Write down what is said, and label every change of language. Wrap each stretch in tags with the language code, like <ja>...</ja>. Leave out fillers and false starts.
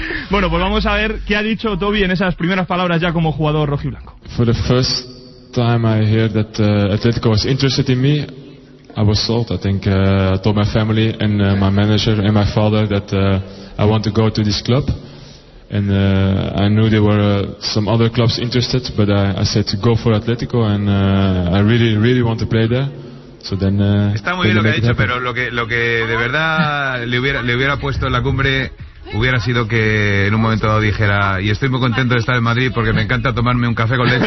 <es>Bueno, pues vamos a ver qué ha dicho Toby en esas primeras palabras ya como jugador rojiblanco.</es> <en>For the first time I hear that Atletico was interested in me, I was sold. I think I told my family and my manager and my father that I want to go to this club. And I knew there were some other clubs interested, but I said to go for Atletico and I really, really want to play there. So then,</en> <es>está muy bien lo que ha dicho, pero lo que de verdad le hubiera puesto en la cumbre hubiera sido que en un momento dado dijera: y estoy muy contento de estar en Madrid porque me encanta tomarme un café con leche</es>